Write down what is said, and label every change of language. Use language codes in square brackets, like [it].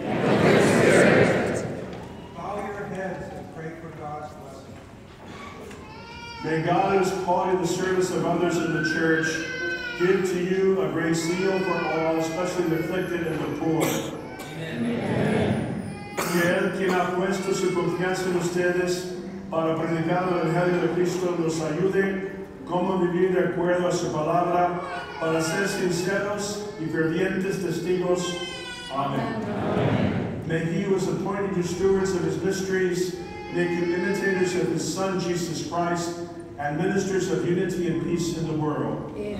[en] And with your spirit. Bow your heads and pray for God's blessing. May God, who has called you to the service of others in the church, give to you a great zeal for all, especially the afflicted and the poor. Amen. [es] Fiel quien ha puesto su confianza en ustedes para predicar el Evangelio de Cristo, nos ayude cómo vivir de acuerdo a su palabra para ser sinceros y fervientes testigos. [en] Amen. Amen. May he who has appointed you stewards of his mysteries make you imitators of his Son, Jesus Christ, and ministers of unity and peace in the world.